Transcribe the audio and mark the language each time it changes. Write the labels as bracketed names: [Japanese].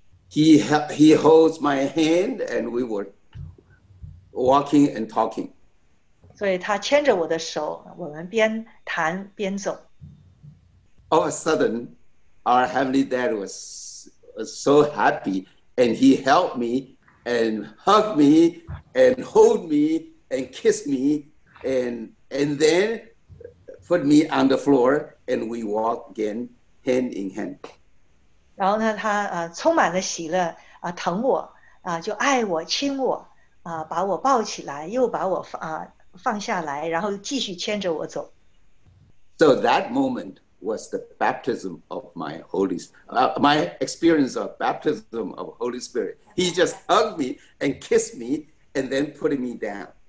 [English] He holds my hand and we were walking and talking. [Chinese] 所以他牵着我的手,我们边谈边走。 [English] All of a sudden, our heavenly dad was so happy, and he helped me, and hugged me, and hold me, and kissed me, and then put me on the floor, and we walked again, hand in hand. [Chinese] 然后呢,他充满了喜乐,疼我,就爱我,亲我。把我抱起来,又把我放下来,然后继续牵着我走。 [English] So that moment was the baptism of my Holy Spirit, my experience of baptism of Holy Spirit. He just hugged me and kissed me and then put me down.